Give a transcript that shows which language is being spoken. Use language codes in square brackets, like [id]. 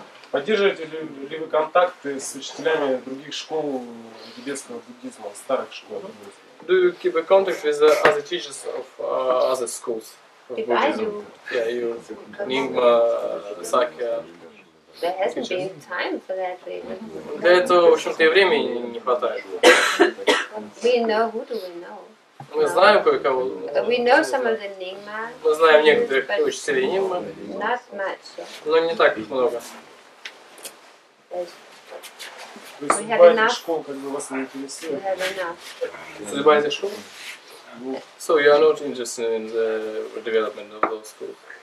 [ru] Поддерживаете ли вы контакты с учителями других школ тибетского буддизма, старых школ? [en] Do you keep a contact with the other teachers of other schools? If I do. Yeah, you. Nyingma, Sakya. There hasn't been time for that, really. [ru] Для этого, в общем-то, и времени не хватает. [en] We know who do we know? [ru] Мы знаем кое-кого. [en] We know some of the Nyingma. [ru] Мы знаем некоторых учителей Нингма. [en] Not much. [ru] Но не так их много. Судьба этих школ, как бы вас не интересует? Судьба этих школ? [en] So you are not interested in the development of those schools?